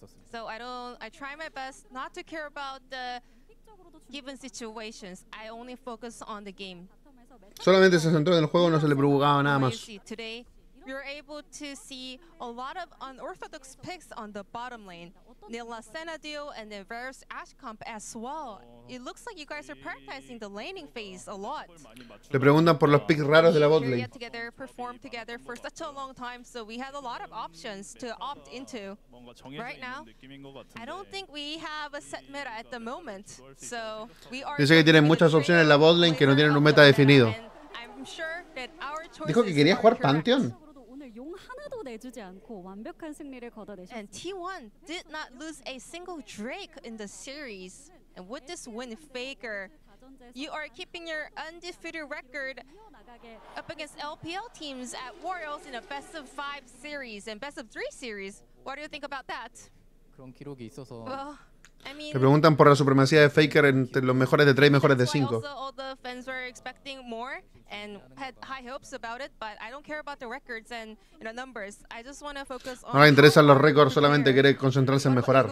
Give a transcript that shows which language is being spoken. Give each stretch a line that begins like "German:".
English: So I try my best not to care about the given situations. I only focus on the game.
Spanish: Solamente se centró en el juego, no se le preocupaba nada más.
English: Today, you're able to see a lot of unorthodox picks on the bottom lane. The Lassena deal and the various Ash comp as well. It looks like you guys are prioritizing the laning phase a lot.
Spanish: Le preguntan por los picks raros de la bot lane.
English: We together performed together for such a long time, so we had a lot of options to opt into. Right now, I don't think we have a set meta at the moment, so we are.
Spanish: Dice que tienen muchas opciones en la bot lane que no tienen un meta definido.
English: I'm sure that our choices.
Spanish: Dijo que quería jugar Pantheon.
English: And T1 did not lose a single Drake in the series. And with this win, Faker, you are keeping your undefeated record up against LPL teams at Worlds in a best of five series and best of three series. What do you think about that? Well, I
Spanish: mean, te preguntan por la supremacía de Faker entre los mejores de tres y mejores de cinco.
English: Also, all the fans were expecting more and had high hopes about it, but I don't care about the records and the numbers. I just want to focus on.
Spanish: No le interesan los récords, solamente quiere concentrarse en mejorar.